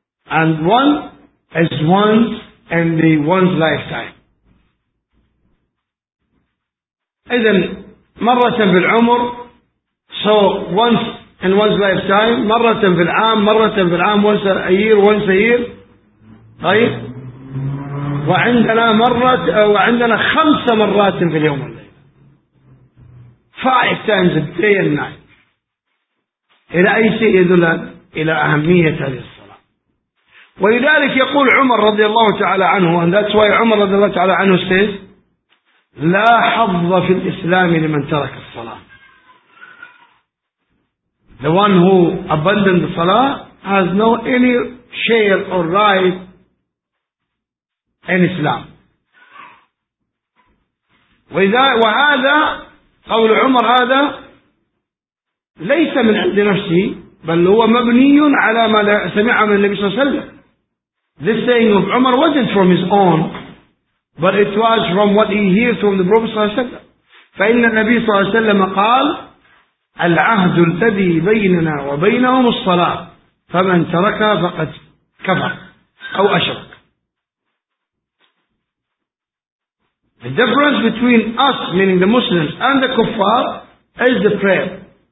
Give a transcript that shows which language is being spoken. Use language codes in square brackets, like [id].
[en] And one is once in the one's lifetime. [ar] إذن مرة في العمر. [en] So once in one's lifetime, [ar] مرة في العام، مرة في العام، [en] once a year, once a year. [ar] طيب وعندنا مرة وعندنا خمس مرات في اليوم والليل. [en] Five times a day and night. [ar] إلى أي شيء يدل إلى أهمية هذه الصلاة. ولذلك يقول عمر رضي الله تعالى عنه [en] and that's why [ar] عمر رضي الله تعالى عنه says لا حظ في الإسلام لمن ترك الصلاة. [en] The one who abandoned the salah has no any share or right in Islam. [ar] وهذا قول عمر هذا ليس من عند نفسه بل هو مبني على ما سمعه من النبي صلى الله عليه وسلم. [en] This saying of Umar wasn't from his own but it was from what he hears from the Prophet صلى الله عليه وسلم. [ar] فإن النبي صلى الله عليه وسلم قال العهد الذي بيننا وبينهم الصلاة فمن تركها فقد كفر أو أشرك. [en] The difference between us meaning the Muslims and the kuffar is the prayer.